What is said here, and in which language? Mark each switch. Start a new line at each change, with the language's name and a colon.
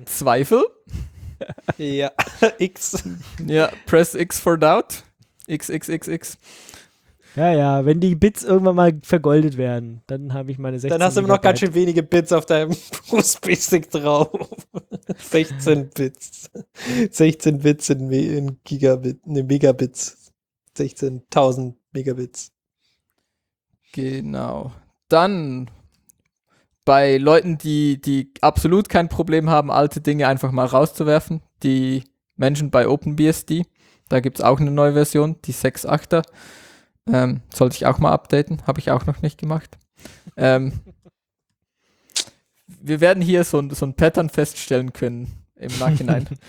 German: Zweifel? Ja, X.
English: Ja, press X for doubt. XXXX.
German: Ja, ja, wenn die Bits irgendwann mal vergoldet werden, dann habe ich meine 16. Dann hast du immer noch ganz schön wenige Bits auf deinem USB-Stick drauf. 16 Bits. 16 Bits in Gigabit, ne, Megabits. 16.000 Megabits. Genau. Dann bei Leuten, die absolut kein Problem haben, alte Dinge einfach mal rauszuwerfen, die Menschen bei OpenBSD, da gibt es auch eine neue Version, die 6.8er. Sollte ich auch mal updaten, habe ich auch noch nicht gemacht. Wir werden hier so ein Pattern feststellen können im Nachhinein.